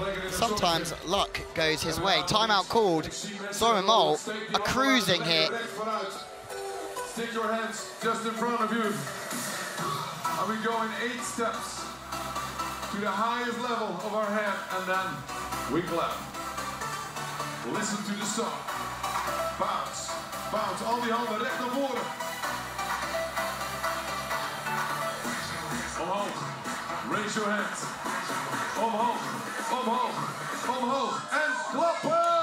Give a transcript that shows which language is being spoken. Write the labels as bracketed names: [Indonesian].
[English] Sometimes luck goes his way. Timeout called. Sorum and Mol are cruising here. Stick your hands just in front of you. And we're going 8 steps to the highest level of our hand, and then we clap. Listen to the song. Bounce, bounce, all the [Dutch] handen recht naar voren. Omhoog, [English] raise your hands. [Dutch] Omhoog, omhoog, omhoog, en klappen!